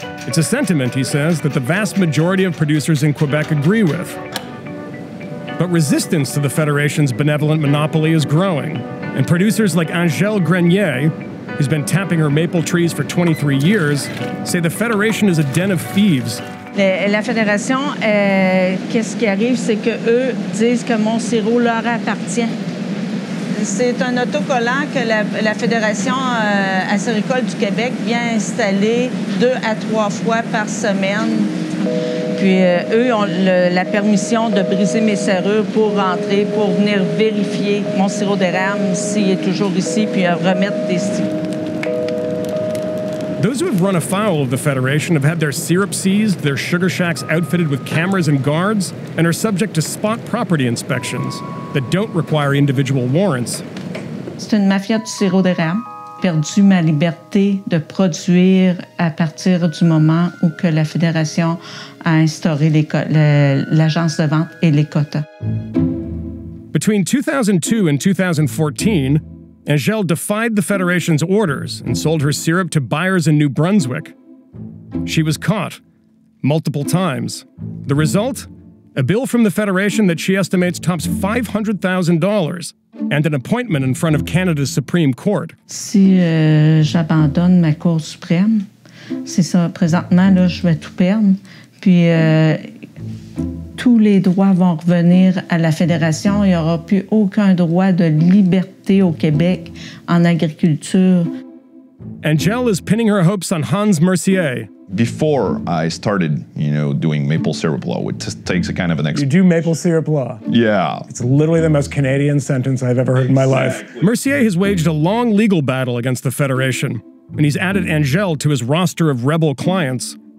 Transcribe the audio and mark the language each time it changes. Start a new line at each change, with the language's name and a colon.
English: It's a sentiment, he says, that the vast majority of producers in Quebec agree with. But resistance to the Federation's benevolent monopoly is growing, and producers like Angèle Grenier, who's been tapping her maple trees for 23 years, say the Federation is a den of thieves.
French: La Fédération, qu'est-ce qui arrive, c'est que eux disent que mon sirop leur appartient. C'est un autocollant que la Fédération acéricole du Québec vient installer 2 à 3 fois par semaine. Puis eux ont la permission de briser mes serrures pour rentrer, pour venir vérifier mon sirop d'érable s'il est toujours ici, puis remettre des stylos.
English: Those who have run afoul of the Federation have had their syrup seized, their sugar shacks outfitted with cameras and guards, and are subject to spot property inspections that don't require individual warrants.
French: C'est une mafia du sirop d'érable. Perdu ma liberté de produire à partir du moment où que la Fédération a instauré l'agence de vente et les quotas.
English: Between 2002 and 2014, Angèle defied the Federation's orders and sold her syrup to buyers in New Brunswick. She was caught multiple times. The result? A bill from the Federation that she estimates tops $500,000 and an appointment in front of Canada's Supreme Court.
French: Si j'abandonne ma Cour suprême, c'est ça. Présentement, là, je vais tout perdre. Puis tous les droits vont revenir à la Fédération. Il n'y aura plus aucun droit de liberté au Québec en agriculture.
English: Angèle is pinning her hopes on Hans Mercier. Before I started, you know, doing maple syrup law, which takes a kind of an You do maple syrup law? Yeah. It's literally the most Canadian sentence I've ever heard In my life. Mercier has waged a long legal battle against the Federation, and he's added Angèle to his roster of rebel clients.